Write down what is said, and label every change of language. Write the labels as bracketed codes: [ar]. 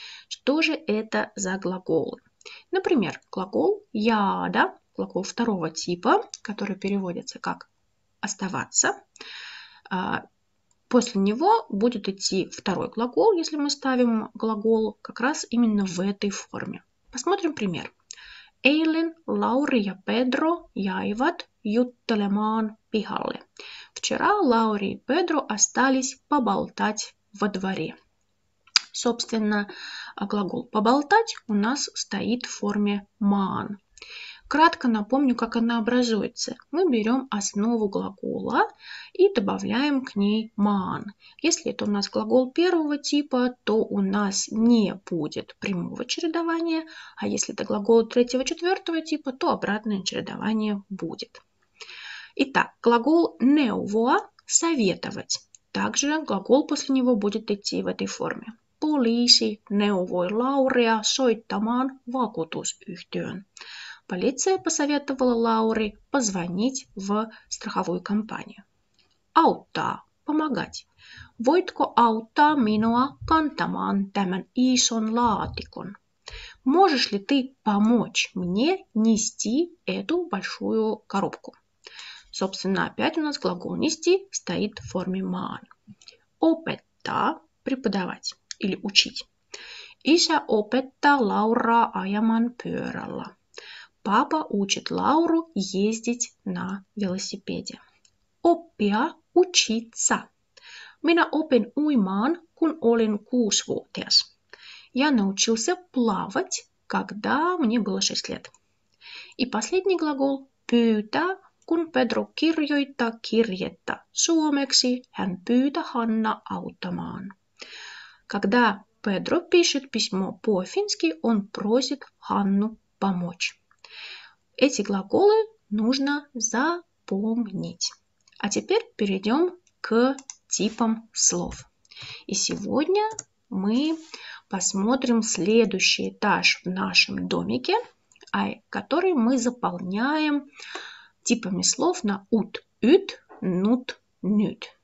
[ru] Что же это за глаголы? Например, глагол яда, глагол второго типа, который переводится как оставаться. После него будет идти второй глагол, если мы ставим глагол как раз именно в этой форме. Посмотрим пример. [fi] Eilen Lauri ja Pedro jäivät juttelemaan pihalle. [ru] Вчера Лаури и Педро остались поболтать во дворе. Собственно, глагол «поболтать» у нас стоит в форме «man». Кратко напомню, как она образуется. Мы берем основу глагола и добавляем к ней «man». Если это у нас глагол первого типа, то у нас не будет прямого чередования, а если это глагол третьего-четвертого типа, то обратное чередование будет. Итак, глагол «neuvoa» – «советовать». Также глагол после него будет идти в этой форме. [fi] Poliisi neuvoi Lauria soittamaan vakuutusyhtiöön. [ru] Полиция посоветовала Лаури позвонить в страховую компанию. [fi] Auttaa – помогать. Voitko auttaa minua kantamaan tämän ison laatikon? [ru] Можешь ли ты помочь мне нести эту большую коробку? Собственно, опять у нас глагол «нести» стоит в форме «man». Opettaa – преподавать или учить. [fi] Isä opettaa Lauraa ajamaan pyörällä. [ru] Папа учит Лауру ездить на велосипеде. [fi] Oppia – учиться. Minä opin uimaan, kun olin 6-vuotias. [ru] Я научился плавать, когда мне было 6 лет. И последний глагол [fi] – pyytää, kun Pedro kirjoittaa kirjettä. Suomeksi hän pyytää Hanna auttamaan. [ru] Когда Педро пишет письмо по-фински, он просит Ханну помочь. Эти глаголы нужно запомнить. А теперь перейдем к типам слов. И сегодня мы посмотрим следующий этаж в нашем домике, который мы заполняем типами слов на ут, ют, нут, нют.